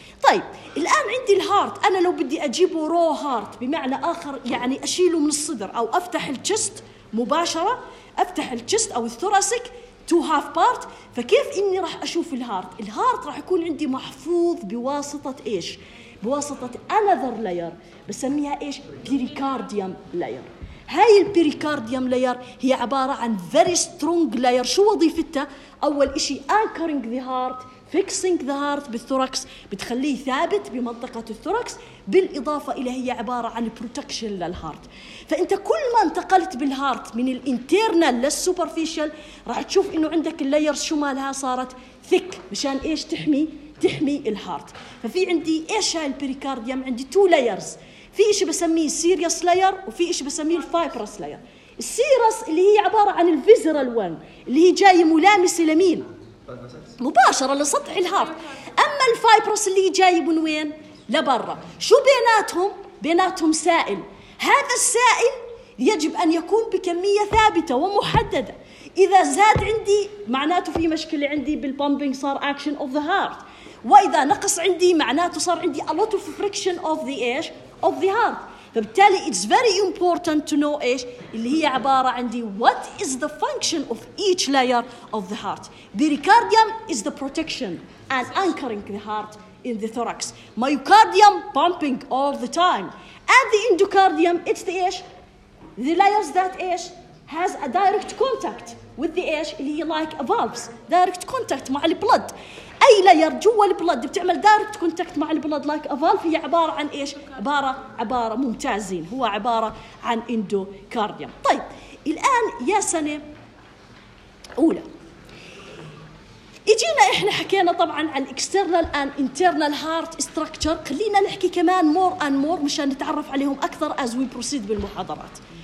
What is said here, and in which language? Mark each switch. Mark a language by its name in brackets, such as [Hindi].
[Arabic] طيب الآن عندي الهارت، أنا لو بدي أجيبه raw heart بمعنى آخر يعني أشيله من الصدر أو أفتح الشست مباشرة، أفتح الشست أو الثوراسيك two half part، فكيف إني راح أشوف الهارت؟ الهارت راح يكون عندي محفوظ بواسطة إيش؟ بواسطة another layer بسميها إيش؟ pericardium layer. هاي [English] pericardium layer [Arabic] هي عبارة عن [English] very strong layer. [Arabic] شو وظيفتها؟ أول إشي [English] anchoring the heart, fixing the heart [Arabic] بالثوركس، بتخليه ثابت بمنطقة الثوركس، بالإضافة إلى هي عبارة عن protection للهارت. فأنت كل ما انتقلت بالهارت من الانترنال للسوبرفيشل راح تشوف إنه عندك layers شو مالها صارت thick، مشان إيش؟ تحمي الهارت. ففي عندي ايش هاي البريكارديوم؟ عندي تو لايرز، في شيء بسميه سيريس لاير وفي شيء بسميه الفايبرس لاير. السيريس اللي هي عباره عن الفيزرال وان اللي هي جاي ملامسه لمين؟ مباشره لسطح الهارت. اما الفايبرس اللي هي جاي من وين؟ لبرا. شو بيناتهم؟ بيناتهم سائل. هذا السائل يجب ان يكون بكميه ثابته ومحدده. إذا زاد عندي معناته في مشكلة عندي بالبومبينج صار [English] action of the heart، [Arabic] وإذا نقص عندي معناته صار عندي [English] a lot of friction of the [Arabic] ايش [English] of the heart. [Arabic] فبالتالي [English] it's very important to know [Arabic] ايش اللي هي عبارة عندي [English] what is the function of each layer of the heart. Pericardium is the protection and anchoring the heart in the thorax. Myocardium pumping all the time. And the endocardium, it's the ايش the layers that ايش has a direct contact with the [Arabic] ايش اللي هي [English] like valves, direct contact [Arabic] مع البلد. أي layer جوا البلد بتعمل [English] direct contact [Arabic] مع البلد [English] like a valve [Arabic] هي عبارة عن ايش عبارة ممتازين، هو عبارة عن endocardium. طيب الآن يا سنة أولى اجينا احنا حكينا طبعا عن [English] external and internal heart structure، [Arabic] خلينا نحكي كمان [English] more and more [Arabic] مشان نتعرف عليهم أكثر [English] as we proceed [Arabic] بالمحاضرات.